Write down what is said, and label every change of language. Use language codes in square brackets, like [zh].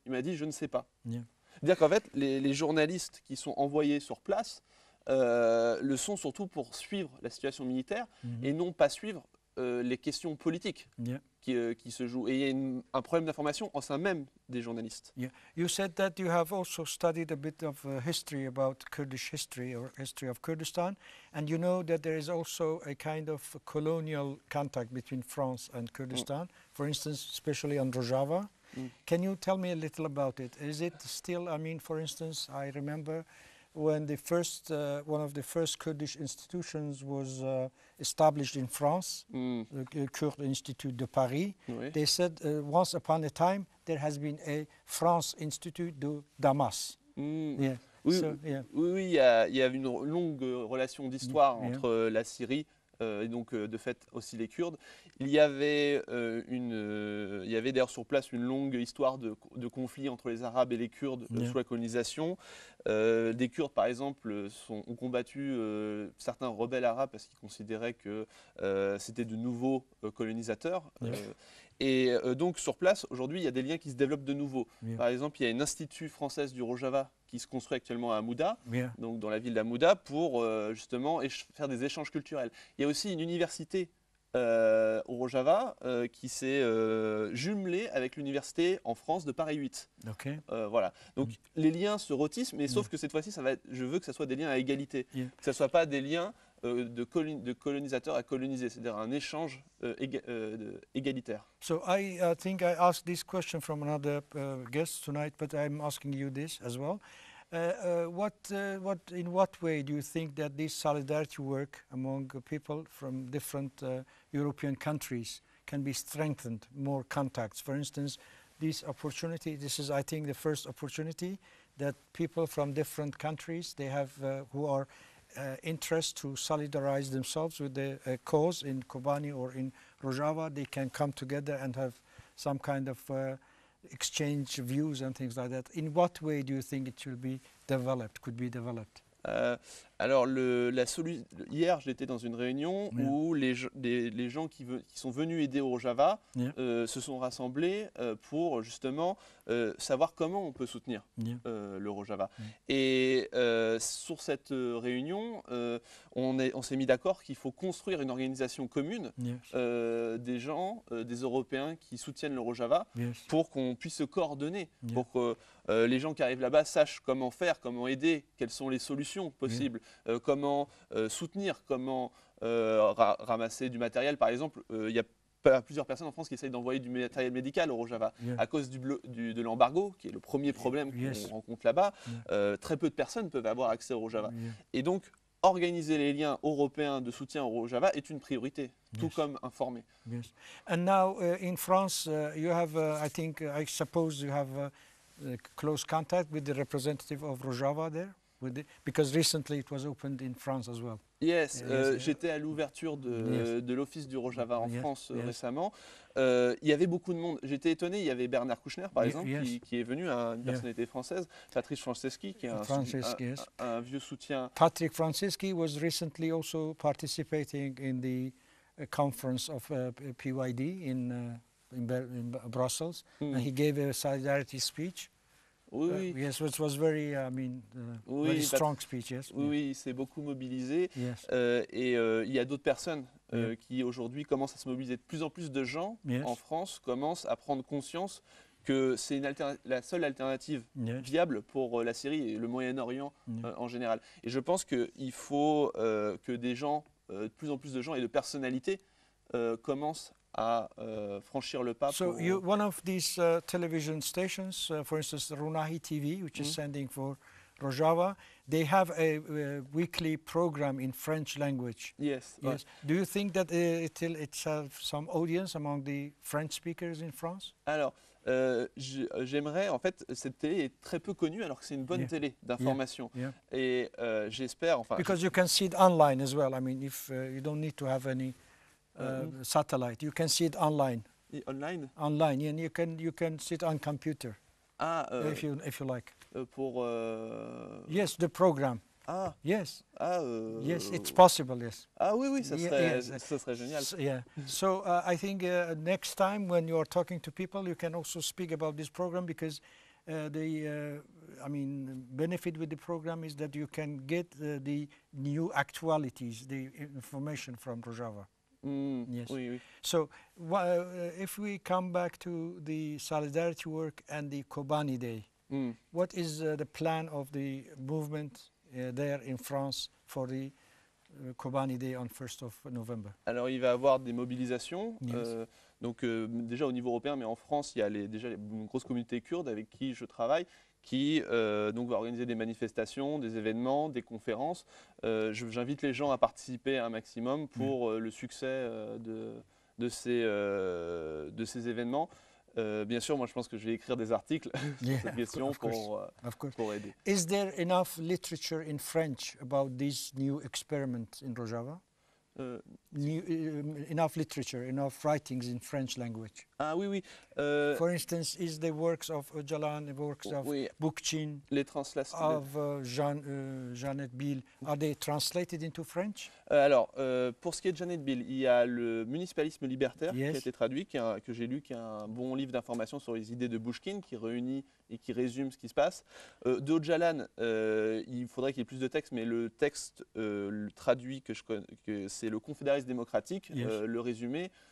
[fr] Il m'a dit je ne sais pas. [en] Yeah. [fr] C'est-à-dire qu'en fait, les journalistes qui sont envoyés sur place le sont surtout pour suivre la situation militaire mm-hmm. et non pas suivre les questions politiques [en] yeah. [fr] qui se jouent. Et il y a un problème d'information en sein même des journalistes. [en] Yeah. You said that you have also studied a bit of history about Kurdish history or history of Kurdistan. And you know that there is also a kind of colonial contact between France and Kurdistan. Mm. For instance, especially on Rojava. Can you tell me a little about it? Is it still, I mean, for instance, I remember when the first, one of the first Kurdish institutions was established in France, the Kurd Institute de Paris. [fr] Oui. [en] They said once upon a time, there has been a France Institute de Damas. Mm. Yeah. [fr] Oui, [en] so, yeah. [fr] Oui, il y a une longue relation d'histoire entre la Syrie et donc de fait aussi les Kurdes. Il y avait, il y avait d'ailleurs sur place une longue histoire de conflits entre les Arabes et les Kurdes sous la colonisation. Des Kurdes, par exemple, ont combattu certains rebelles arabes parce qu'ils considéraient que c'était de nouveaux colonisateurs. Donc sur place, aujourd'hui, il y a des liens qui se développent de nouveau. [en] Yeah. [fr] Par exemple, il y a un institut français du Rojava qui se construit actuellement à Amouda, donc dans la ville d'Amouda, pour justement faire des échanges culturels. Il y a aussi une université au Rojava qui s'est jumelée avec l'université en France de Paris 8. [en] Okay. [fr] Voilà. Donc les liens se rôtissent, mais sauf que cette fois-ci, ça va être, je veux que ce soit des liens à égalité, que ce ne soit pas des liens de colonisateur à colonisé, c'est-à-dire un échange égalitaire. [en] So I think I asked this question from another guest tonight, but I'm asking you this as well. What in what way do you think that this solidarity work among people from different European countries can be strengthened, more contacts? For instance, this opportunity, this is I think the first opportunity that people from different countries, they have who are interest to solidarize themselves with the cause in Kobani or in Rojava, they can come together and have some kind of exchange views and things like that. In what way do you think it should be developed, could be developed? [fr] Alors, hier, j'étais dans une réunion où les gens qui sont venus aider au Rojava se sont rassemblés pour justement savoir comment on peut soutenir le Rojava. Et sur cette réunion, on s'est mis d'accord qu'il faut construire une organisation commune des gens, des Européens qui soutiennent le Rojava pour qu'on puisse se coordonner, pour que les gens qui arrivent là-bas sachent comment faire, comment aider, quelles sont les solutions possibles. Comment soutenir, comment ramasser du matériel. Par exemple, il y a plusieurs personnes en France qui essayent d'envoyer du matériel médical au Rojava à cause de l'embargo, qui est le premier problème qu'on rencontre là-bas. Très peu de personnes peuvent avoir accès au Rojava. Et donc, organiser les liens européens de soutien au Rojava est une priorité, tout comme informer. [en] Yes. And now, in France, you have, I suppose you have close contact with the representative of Rojava there? Because recently it was opened in France as well. Yes, [fr] j'étais à l'ouverture de l'office du Rojava en France récemment. Il y avait beaucoup de monde. J'étais étonné, il y avait Bernard Kouchner, par exemple, qui est venu, une personnalité française. Patrick Franceschi, qui est un vieux soutien. [en] Patrick Franceschi was recently also participating in the conference of PYD in Brussels. Mm. And he gave a solidarity speech. [fr] Oui. [en] Yes, which was very, very strong speech. Yes. [fr] Oui, il s'est beaucoup mobilisé. [en] Yes. [fr] Il y a d'autres personnes qui aujourd'hui commencent à se mobiliser. De plus en plus de gens en France commencent à prendre conscience que c'est la seule alternative viable pour la Syrie et le Moyen-Orient en général. Et je pense qu'il faut que des gens, de plus en plus de gens et de personnalités commencent à franchir le pas. [en] So you, one of these television stations, for instance, Runahi TV, which is sending for Rojava, they have a weekly program in French language. Yes. Yes. Right. Do you think that it has some audience among the French speakers in France? [fr] Alors, j'aimerais, en fait, cette télé est très peu connue, alors que c'est une bonne télé d'information. Et j'espère, enfin. [en] Because you can see it online as well. I mean, if you don't need to have any satellite, you can see it online. Online? Online, and you can see it on computer. Ah, if you like. [fr] Pour. [en] Yes, the program. Ah. Yes. Ah. Yes, it's possible. Yes. [fr] Ah, oui, ça serait, ça serait génial. [en] So I think next time when you are talking to people, you can also speak about this program because the benefit with the program is that you can get the new actualities, the information from Rojava. [fr] Mm, [en] yes. [fr] Oui, oui. [en] So, if we come back to the solidarity work and the Kobani Day, what is the plan of the movement there in France for the Kobani Day on 1st of November? [fr] Alors, il va y avoir des mobilisations Donc déjà au niveau européen, mais en France, il y a une grosse communauté kurde avec qui je travaille, qui donc va organiser des manifestations, des événements, des conférences. J'invite les gens à participer un maximum pour le succès de ces événements. Bien sûr, moi, je pense que je vais écrire des articles sur cette question pour aider. [en] Is there enough literature in French about this new experiment in Rojava? Enough literature, enough writings in French language. [fr] Ah oui, oui. [en] For instance, is the works of Öcalan, the works of Bookchin, [fr] les translations [en] of Jeanette Bill, are they translated into French? [fr] Alors, pour ce qui est de Jeanette Bill, il y a le Municipalisme libertaire qui a été traduit, que j'ai lu, qui est un bon livre d'information sur les idées de Bookchin, qui réunit et qui résume ce qui se passe. De Öcalan, il faudrait qu'il y ait plus de textes, mais le texte le traduit que je connais, que c'est le Confédéralisme démocratique, le résumé.